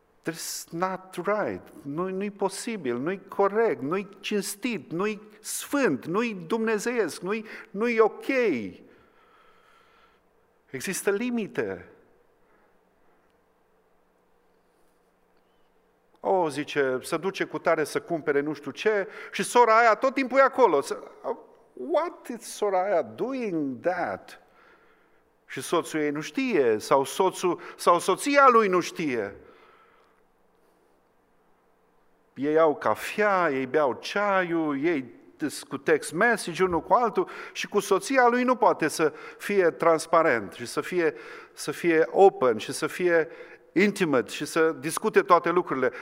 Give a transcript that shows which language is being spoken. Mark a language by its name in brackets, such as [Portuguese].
[English] That's not right. [Romanian] Nu-i posibil, nu-i corect, nu-i cinstit, nu-i sfânt, nu-i dumnezeiesc, nu-i ok. Există limite. O, zice, să duce cu tare să cumpere nu știu ce și sora aia tot timpul e acolo. [English] What is [Romanian] sora aia [English] doing that? [Romanian] Și soțul ei nu știe sau soțul sau soția lui nu știe. Ei au cafea, ei beau ceaiul, ei cu text message unul cu altul și cu soția lui nu poate să fie transparent și să fie open și să fie intimate și să discute toate lucrurile.